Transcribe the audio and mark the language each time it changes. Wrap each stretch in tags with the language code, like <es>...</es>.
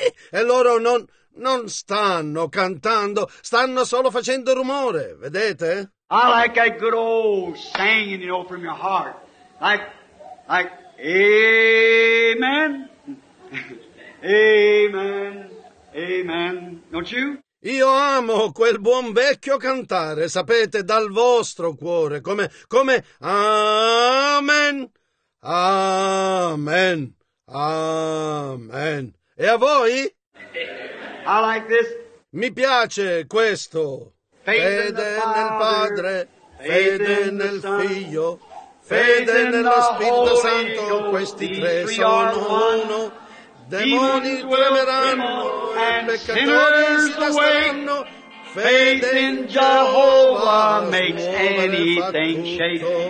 <it>E loro non stanno cantando, stanno solo facendo rumore, vedete?</it> <en>I like a good old singing, you know, from your heart. Like, amen, amen. Amen, don't you?</en> <it>Io amo quel buon vecchio cantare, sapete, dal vostro cuore, come amen, amen, amen. E a voi?</it> <en>I like this.</en> <it>Mi piace questo. Fede nel Padre, fede nel Figlio, fede nello Spirito Santo, questi tre sono uno. Demoni tremeranno e peccatori si nasceranno.</it> <en>Faith in Jehovah makes anything shake.</en>